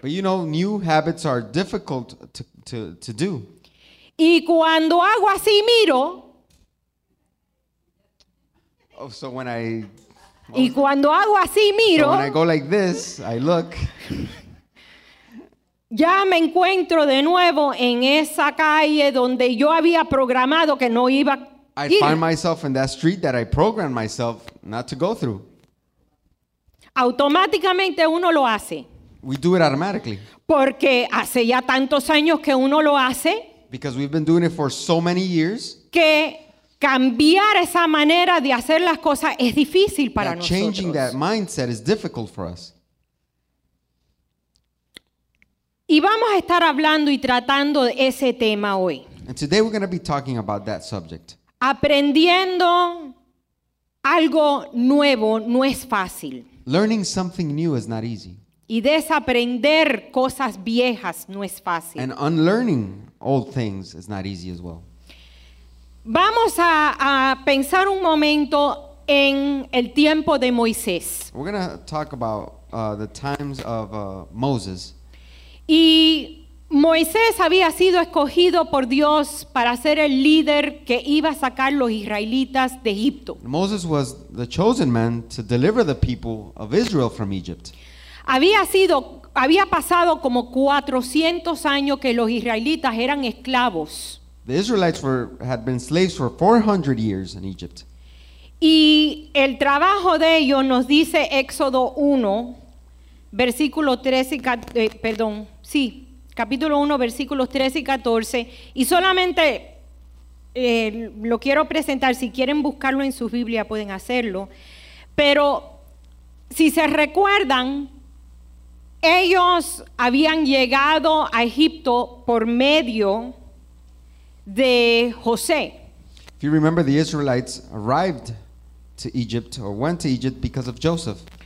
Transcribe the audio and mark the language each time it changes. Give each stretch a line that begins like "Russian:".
English: But you know, new habits are difficult to do.
Spanish: Y cuando hago así, miro.
English: Oh, so when I...
Spanish: Y cuando hago así, miro.
English: So when I go like this, I look.
Spanish: Ya me encuentro de nuevo en esa calle donde yo había programado que no iba a ir.
English: I find myself in that street that I programmed myself not to go through.
Spanish: Automáticamente uno lo hace.
English: We do it automatically.
Spanish: Porque hace ya tantos años que uno lo hace.
English: Because we've been doing it for so many years.
Spanish: Que cambiar esa manera de hacer las cosas es difícil para nosotros.
English: Changing that mindset is difficult for us.
Spanish: Y vamos a estar hablando y tratando de ese tema hoy.
English: And today we're going to be talking about that subject.
Spanish: Aprendiendo algo nuevo no es fácil.
English: Learning something new is not easy.
Spanish: Y desaprender cosas viejas no es fácil.
English: And unlearning old things is not easy as well.
Spanish: Vamos a pensar un momento en el tiempo de Moisés.
English: We're going to talk about the times of Moses.
Spanish: Y Moisés había sido escogido por Dios para ser el líder que iba a sacar los israelitas de Egipto.
English: Moses was the chosen man to deliver the people of Israel from Egypt.
Spanish: Había pasado como 400 años que los israelitas eran esclavos.
English: The Israelites had been slaves for 400 years in Egypt.
Spanish: Y el trabajo de ellos nos dice Éxodo 1, versículo 13 y 14, perdón, sí, capítulo 1, versículos 13 y 14. Y solamente lo quiero presentar, si quieren buscarlo en su Biblia pueden hacerlo. Pero si se recuerdan, ellos habían llegado a Egipto por medio de José.
English: If you remember, the Israelites arrived to Egypt or went to Egypt because of Joseph.